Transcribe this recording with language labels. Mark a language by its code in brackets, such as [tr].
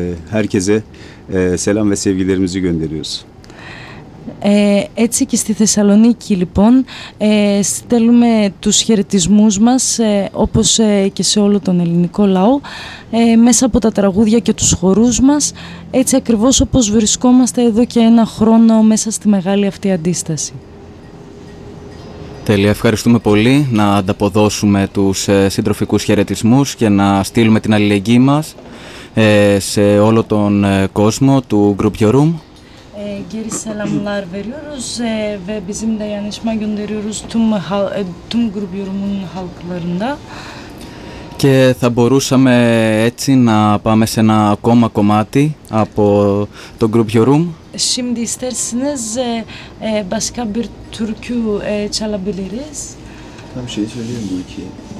[tr] Herkese selam ve sevgilerimizi gönderiyoruz. [el] Έτσι και στη Θεσσαλονίκη λοιπόν στέλνουμε τους χαιρετισμούς μας όπως και σε όλο τον ελληνικό λαό μέσα από τα τραγούδια και τους χορούς μας, έτσι ακριβώς όπως βρισκόμαστε εδώ και ένα χρόνο μέσα στη μεγάλη αυτή αντίσταση. Τέλεια, ευχαριστούμε πολύ. Να ανταποδώσουμε τους συντροφικούς χαιρετισμούς και να στείλουμε την αλληλεγγύη μας σε όλο τον κόσμο του Group Your Room. Κύριε [tr] Σαλαμλάρ, veriyoruz ve bizim dayanışma gönderiyoruz tüm grup yorumun halklarında. [el] Και θα μπορούσαμε έτσι να πάμε σε ένα ακόμα κομμάτι από το Group Your Room. [tr] Şimdi istersiniz başka bir türkü çalabiliriz. Tam şey söyleyeyim bu ikiye.